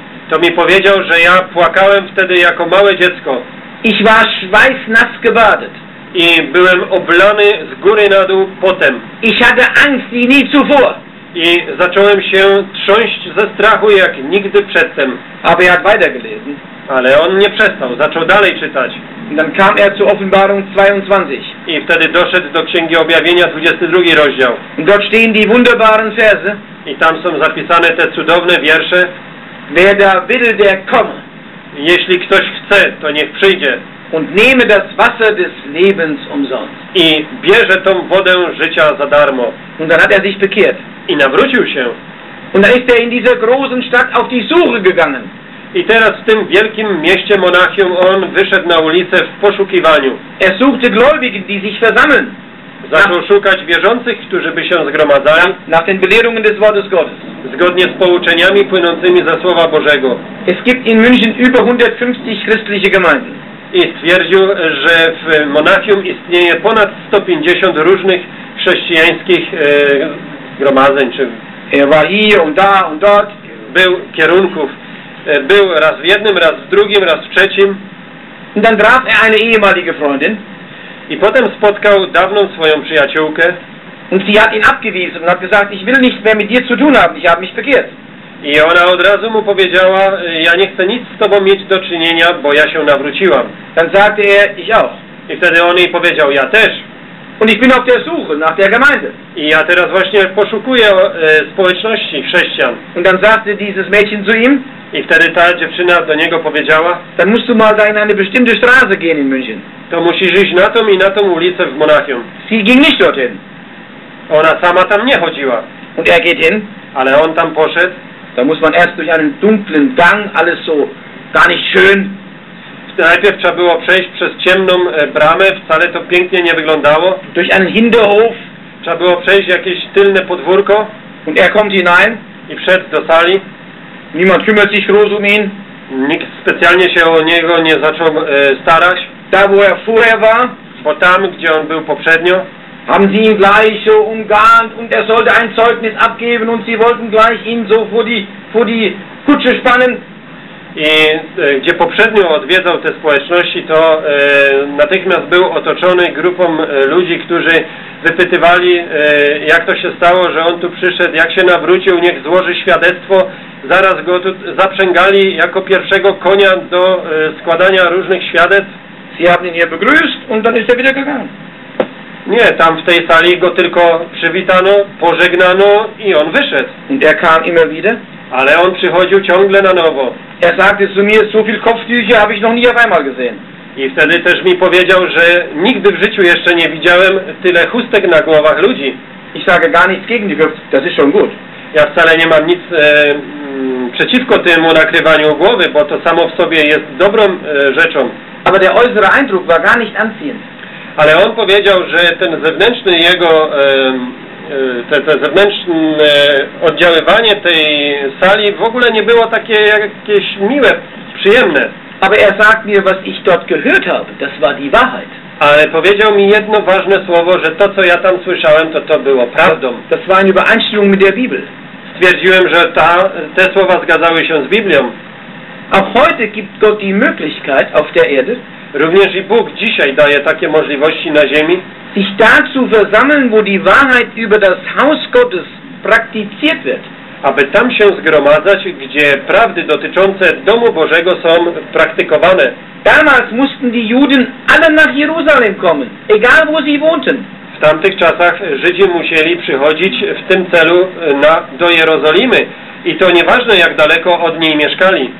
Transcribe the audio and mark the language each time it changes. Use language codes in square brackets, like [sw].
[pl] To mi powiedział, że ja płakałem wtedy jako małe dziecko. [de] Ich war schweißnass gebadet. [pl] I byłem oblany z góry na dół potem. [de] Ich hatte Angst wie nie zuvor. [pl] I zacząłem się trząść ze strachu jak nigdy przedtem. [de] Aber er hat weitergelesen. [pl] Ale on nie przestał, zaczął dalej czytać. [de] Dann kam zu Offenbarung 22. [pl] I wtedy doszedł do Księgi Objawienia, 22 rozdział. [de] Dort stehen die wunderbaren Verse. [pl] I tam są zapisane te cudowne wiersze. [de] Wer da will, der komme. [pl] Jeśli ktoś chce, to niech przyjdzie. [de] Und nehme das Wasser des Lebens umsonst. [pl] I bierze tą wodę życia za darmo. [de] Und dann hat sich bekehrt. [pl] I nawrócił się. [de] Und dann ist in dieser großen Stadt auf die Suche gegangen. [pl] I teraz w tym wielkim mieście Monachium on wyszedł na ulicę w poszukiwaniu. [de] Er suchte Gläubige, die sich versammeln. [pl] Zaczął szukać wierzących, którzy by się zgromadzali. [de] Nach den Belehrungen des Wortes Gottes. [pl] Zgodnie z pouczeniami płynącymi ze Słowa Bożego. [de] Es gibt in München über 150 christliche Gemeinden. [pl] I stwierdził, że w Monachium istnieje ponad 150 różnych chrześcijańskich zgromadzeń. [de] Er war hier und da und dort. [pl] Był kierunków. Był raz w jednym, raz w drugim, raz w trzecim. [de] Und dann traf eine ehemalige Freundin. [pl] I potem spotkał dawną swoją przyjaciółkę. [de] Und sie hat ihn abgewiesen und hat gesagt, ich will nicht mehr mit dir zu tun haben, ich habe mich bekehrt. [pl] I ona od razu mu powiedziała, ja nie chcę nic z tobą mieć do czynienia, bo ja się nawróciłam. [de] Dann sagte er, ich auch. [pl] I wtedy on jej powiedział, ja też. [de] Und ich bin auf der Suche nach der Gemeinde. [pl] I ja teraz właśnie poszukuję społeczności chrześcijan. [de] Und dann sagte dieses Mädchen zu ihm, [pl] i wtedy ta dziewczyna do niego powiedziała, [de] dann musst du mal da in eine bestimmte Straße gehen in München. [pl] To musisz iść na tą i na tą ulicę w Monachium. [de] Sie ging nicht dorthin. [pl] Ona sama tam nie chodziła. [de] Und er geht hin. [pl] Ale on tam poszedł. [de] Da muss man erst durch einen dunklen Gang, alles so gar nicht schön. [pl] Najpierw trzeba było przejść przez ciemną bramę, wcale to pięknie nie wyglądało. [de] Durch einen Hinterhof. [pl] Trzeba było przejść jakieś tylne podwórko. [de] Und er kommt hinein. [pl] I wszedł do sali. [de] Niemand kümmert sich groß um ihn. [pl] Nikt specjalnie się o niego nie zaczął starać. [de] Da wo er vorher war. [pl] Bo tam, gdzie on był poprzednio. [de] Haben sie ihn gleich so umgarnt und er sollte ein Zeugnis abgeben und sie wollten gleich ihn so vor die Kutsche spannen. [pl] I gdzie poprzednio odwiedzał te społeczności, to natychmiast był otoczony grupą ludzi, którzy wypytywali, jak to się stało, że on tu przyszedł, jak się nawrócił, niech złoży świadectwo. Zaraz go tu zaprzęgali jako pierwszego konia do składania różnych świadectw. [de] Sie haben ihn hier begrüßt und dann ist er wieder gegangen. [pl] Nie, tam w tej sali go tylko przywitano, pożegnano i on wyszedł. [de] Und er kam immer wieder. [pl] Ale on przychodził ciągle na nowo. [de] Er sagte zu mir, so viel Kopftücher habe ich noch nie auf einmal gesehen. [pl] I wtedy też mi powiedział, że nigdy w życiu jeszcze nie widziałem tyle chustek na głowach ludzi. [de] Ich sage gar nichts gegen die Köpfe, das ist schon gut. [pl] Ja wcale nie mam nic przeciwko temu nakrywaniu głowy, bo to samo w sobie jest dobrą rzeczą. [de] Aber der äußere Eindruck war gar nicht anziehend. [pl] Ale on powiedział, że ten zewnętrzny jego te zewnętrzne oddziaływanie tej sali w ogóle nie było takie jakieś miłe, przyjemne. [de] Aber er sagt mir, was ich dort gehört habe, das war die Wahrheit. [pl] Ale powiedział mi jedno ważne słowo, że to, co ja tam słyszałem, to było prawdą. [de] Das war eine Übereinstimmung mit der Bibel. [pl] Stwierdziłem, że te słowa zgadzały się z Biblią. [de] Auch heute gibt Gott die Möglichkeit auf der Erde. [pl] Również i Bóg dzisiaj daje takie możliwości na ziemi. [de] Sich dazu versammeln, wo die Wahrheit über das Haus Gottes praktiziert wird. [pl] Aby tam się zgromadzać, gdzie prawdy dotyczące domu Bożego są praktykowane. [de] Damals mussten die Juden alle nach Jerusalem kommen, egal wo sie wohnten. [pl] W tamtych czasach Żydzi musieli przychodzić w tym celu do Jerozolimy. I to nieważne, jak daleko od niej mieszkali.